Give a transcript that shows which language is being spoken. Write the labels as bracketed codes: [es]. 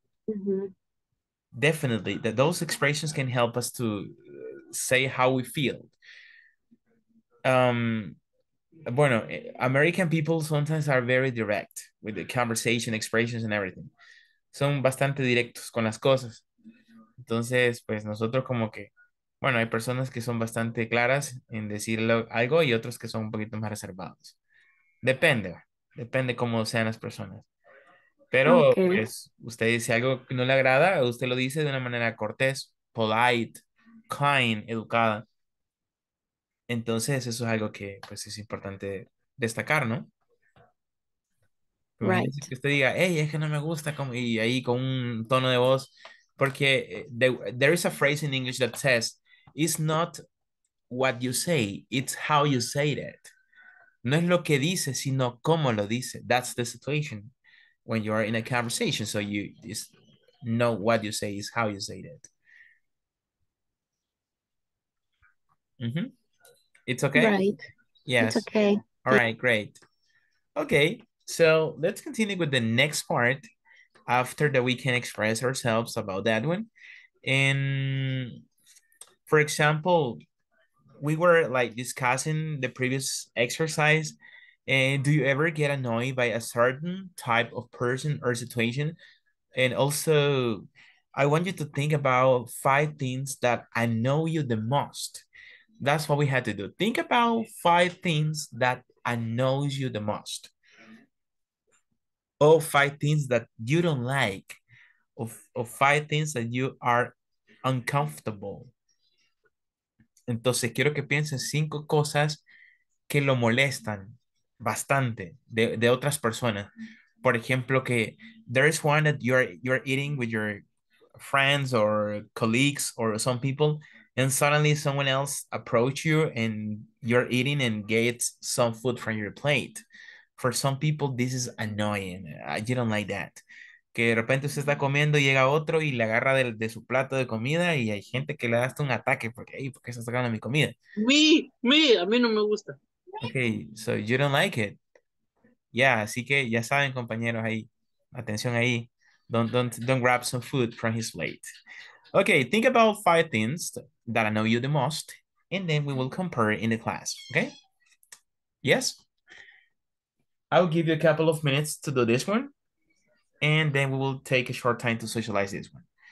[en] Mm-hmm. Definitely. That those expressions can help us to say how we feel. [es] Bueno, [en] American people sometimes are very direct with the conversation, expressions, and everything. [es] Son bastante directos con las cosas. Entonces, pues nosotros como que, bueno, hay personas que son bastante claras en decir algo y otros que son un poquito más reservados. Depende cómo sean las personas. Pero, okay. Pues, usted dice algo que no le agrada, usted lo dice de una manera cortés, [en] polite, kind, [es] educada. Entonces, eso es algo que, pues, es importante destacar, ¿no? [en] Right. [es] Que usted diga, hey, es que no me gusta, como, y ahí con un tono de voz. Porque [en] there is a phrase in English that says, it's not what you say, it's how you say it. [es] No es lo que dice, sino cómo lo dice. [en] That's the situation when you are in a conversation. So you just know what you say is how you say it. Mm-hmm. It's okay? Right. Yes. It's okay. All right, great. Okay, so let's continue with the next part after that we can express ourselves about that one. And for example, we were like discussing the previous exercise. And do you ever get annoyed by a certain type of person or situation? And also, I want you to think about five things that annoy you the most. That's what we had to do. Think about five things that annoys you the most. Or five things that you don't like. Or five things that you are uncomfortable. [es] Entonces, quiero que piensen cinco cosas que lo molestan. Bastante de otras personas. Por ejemplo, que [en] there is one that you're eating with your friends or colleagues or some people, and suddenly someone else approach you and you're eating and gets some food from your plate. For some people, this is annoying. You don't like that. [es] Que de repente usted está comiendo y llega otro y le agarra de su plato de comida y hay gente que le da hasta un ataque porque, hey, ¿por qué estás tocando mi comida? Me, a mí no me gusta. [en] Okay, so you don't like it. Yeah, [es] así que ya saben, compañeros, ahí, atención ahí. [en] Don't grab some food from his plate. Okay, think about five things that annoy you the most, and then we will compare in the class, okay? Yes? I'll give you a couple of minutes to do this one, and then we will take a short time to socialize this one.